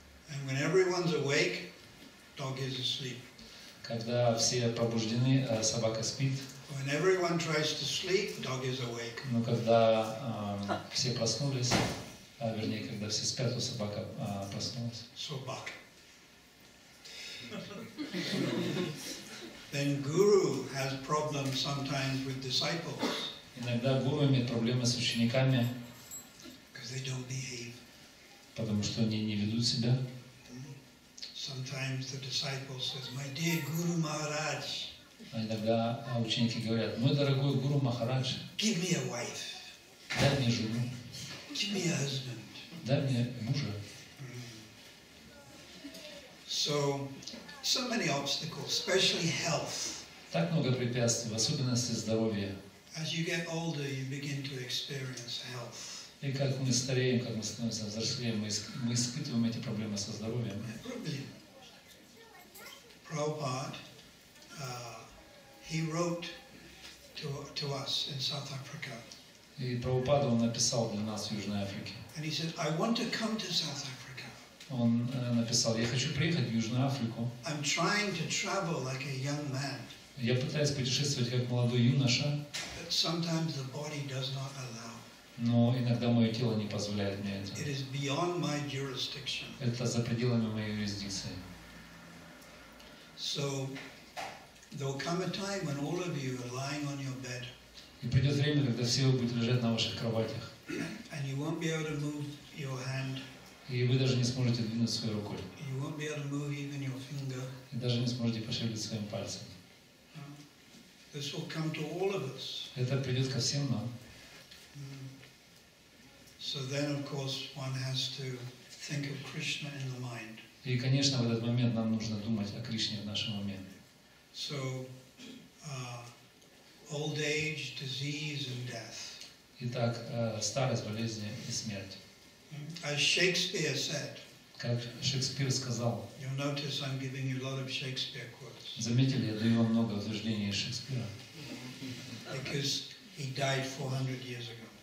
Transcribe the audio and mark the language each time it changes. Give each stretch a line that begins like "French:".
English: And when everyone's awake, dog is asleep.
Russian: Когда все пробуждены, собака спит.
English: When everyone tries to sleep, dog is awake.
Russian: Но когда все проснулись, вернее, когда все спят, то собака проснулась. Собака.
English: Then guru has problems sometimes with disciples.
Russian: Иногда гуру имеет проблемы с учениками.
English: Because they don't behave.
Russian: Потому что они не ведут себя.
English: Sometimes the disciple says, "My dear Guru Maharaj."
Russian: Иногда ученики говорят: "Мой дорогой Гуру Махарадж."
English: Give me a wife.
Russian: Дай мне жену.
English: Give me a husband.
Russian: Дай мне мужа.
English: So many obstacles, especially health.
Russian: Так много препятствий, в особенности здоровья.
English: As you get older, you begin to experience health.
Russian: И как мы стареем, как мы становимся взрослее, мы испытываем эти проблемы со здоровьем.
English: Prabhupada, he wrote to us in South Africa.
Russian: И Прабхупада он написал для нас в Южной Африке.
English: And he said, "I want to come to South Africa."
Russian: Он написал: "Я хочу приехать в Южную Африку."
English: I'm trying to travel like a young man.
Russian: Я пытаюсь путешествовать как молодой юноша.
English: But sometimes the body does not allow.
Russian: Но иногда мое тело не позволяет мне этого.
English: It is beyond my jurisdiction.
Russian: Это за пределами моей юрисдикции.
English: So there will come a time when all of you are lying on your bed.
Russian: И придет время, когда все вы будете лежать на ваших кроватях.
English: And you won't be able to move your hand.
Russian: И вы даже не сможете двинуть своей рукой.
English: You won't be able to move even your finger.
Russian: И даже не сможете пошевелить своим пальцем.
English: This will come to all of us.
Russian: Это придет ко всем нам.
English: So then, of course, one has to Think of Krishna in the mind.
Russian: И, конечно, в этот момент нам нужно думать о Кришне в нашем уме.
English: So, old age, disease and death.
Russian: Итак, старость, болезни и смерть.
English: As Shakespeare said.
Russian: Как Шекспир сказал.
English: You'll notice I'm giving you a lot of Shakespeare quotes.
Russian: Заметили, я даю вам много утверждений из Шекспира.
English: Because he died 400 years ago.